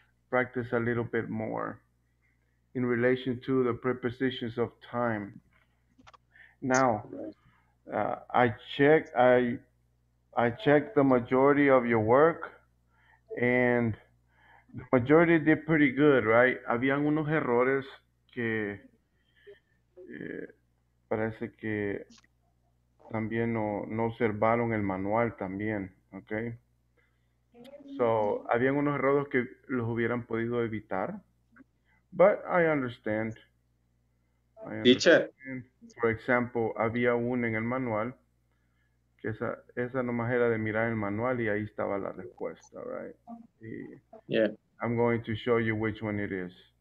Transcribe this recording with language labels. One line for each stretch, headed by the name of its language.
English: Practice a little bit more in relation to the prepositions of time. Now, I checked the majority of your work, and the majority did pretty good, right?
Spanish: Habían unos errores que parece que también no observaron el manual también, okay. So, habían unos errores que los hubieran podido evitar.
English: But I understand. I understand. Teacher. For example,
Spanish: había una en el manual, que esa nomás era de mirar el manual y ahí estaba la respuesta, right? Y
English: Yeah. I'm going to show you which one it is.